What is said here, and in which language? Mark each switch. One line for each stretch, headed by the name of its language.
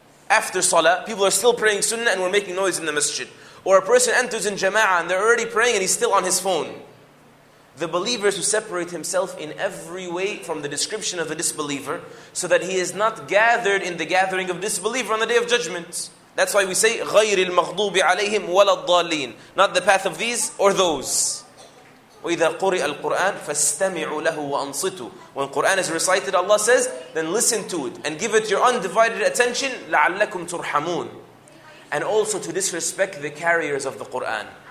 English: after salah, people are still praying sunnah and we're making noise in the masjid. Or a person enters in jama'ah and they're already praying and he's still on his phone. The believer is to separate himself in every way from the description of a disbeliever so that he is not gathered in the gathering of disbeliever on the Day of Judgment. That's why we say,
Arabic: غَيْرِ الْمَغْضُوبِ عَلَيْهِمْ وَلَا الضَّالِينَ.
English: Not the path of these or those.
Arabic: وَإِذَا قُرِئَ الْقُرْآنَ فَاسْتَمِعُوا لَهُ وَأَنصِتُوا.
English: When Qur'an is recited, Allah says, then listen to it and give it your undivided attention,
Arabic: لَعَلَّكُمْ تُرْحَمُونَ.
English: And also to disrespect the carriers of the Qur'an.